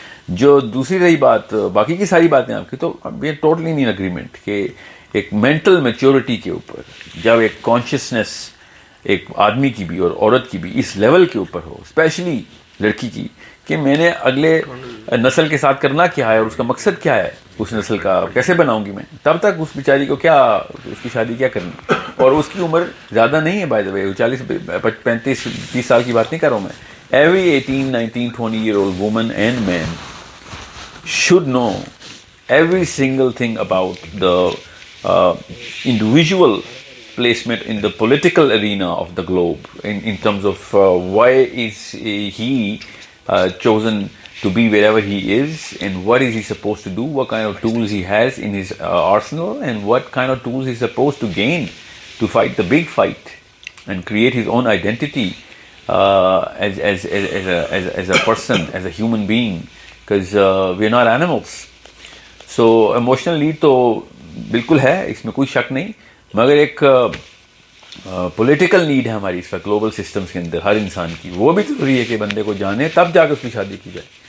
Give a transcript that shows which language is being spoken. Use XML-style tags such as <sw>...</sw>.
<ur>جو دوسری رہی بات باقی کی ساری باتیں آپ کی, تو</ur> <en>we are totally in agreement</en> <ur>کہ ایک مینٹل میچیورٹی کے اوپر, جب ایک کانشیسنیس ایک آدمی کی بھی اور عورت کی بھی اس لیول کے اوپر ہو, اسپیشلی لڑکی کی, کہ میں نے اگلے نسل کے ساتھ کرنا کیا ہے اور اس کا مقصد کیا ہے, اس نسل کا کیسے بناؤں گی میں, تب تک اس بیچاری کو کیا, اس کی شادی کیا کرنی. اور اس کی عمر زیادہ نہیں ہے,</ur> <en>by the way</en> <ur>40-35-30 سال کی بات نہیں کر رہا ہوں میں.</ur> <en>Every 18-19-20 year old women and men should know every single thing about the individual placement in the political arena of the globe in terms of why is he chosen to be wherever he is and what is he supposed to do, what kind of tools he has in his arsenal and what kind of tools he's supposed to gain to fight the big fight and create his own identity as a person as a human being, because we are not animals. So emotional need</en> <ur>to bilkul hai, isme koi shak nahi, magar ek political need ہے ہماری اس وقت global systems کے اندر ہر انسان کی, وہ بھی ضروری ہے کہ بندے کو جانے تب جا کے اس کی شادی کی جائے.</ur>